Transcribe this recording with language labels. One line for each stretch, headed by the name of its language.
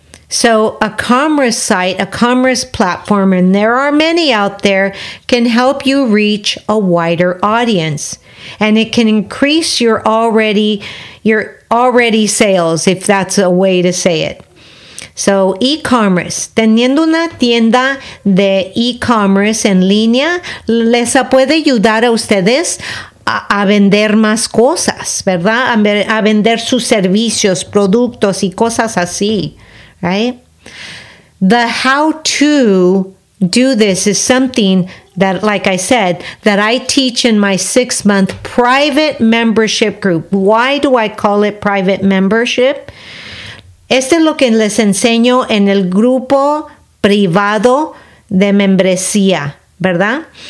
English: So a commerce site, a commerce platform, and there are many out there, can help you reach a wider audience. And it can increase your already you're already sales, if that's a way to say it.
Spanish: So e-commerce, teniendo una tienda de e-commerce en línea, les puede ayudar a ustedes a vender más cosas, ¿verdad? A vender sus servicios, productos y cosas así, right?
English: The how to do this is something that, like I said, that I teach in my 6-month private membership group. Why do I call it private membership?
Spanish: Este es lo que les enseño en el grupo privado de membresía, ¿verdad?